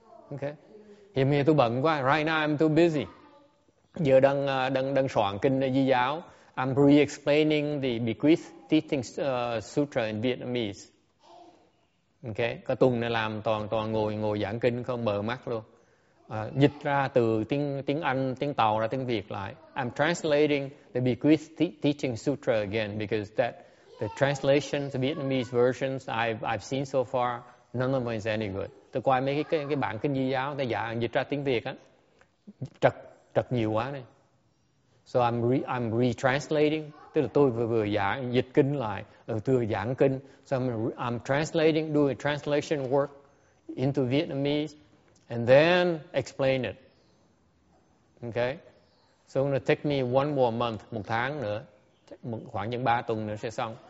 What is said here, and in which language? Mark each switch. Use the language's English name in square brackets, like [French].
[English] Ok, [Vietnamese] hiện giờ tôi bận quá, [English] right now I'm too busy, [Vietnamese] giờ đang soạn kinh Di giáo, [English] I'm re-explaining the Bequeath Teaching Sutra in Vietnamese. [Vietnamese] Ok, có tuần này làm toàn ngồi giảng kinh không mở mắt luôn. Dịch ra từ tiếng Anh, tiếng Tàu ra tiếng Việt lại. [English] I'm translating the Bequeath Teaching Sutra again because that the translations, the Vietnamese versions I've seen so far, none of them is any good. [Vietnamese] Tôi coi mấy cái bản kinh Di giáo ta giảng dịch ra tiếng Việt á. Trật nhiều quá này. [English] So I'm retranslating. [Vietnamese] Tức là tôi vừa giảng dịch kinh lại, vừa giảng kinh. [English] So I'm translating, doing a translation work into Vietnamese, and then explain it. Okay? So it's going to take me one more month, [Vietnamese] một tháng nữa, khoảng những 3 tuần nữa sẽ xong.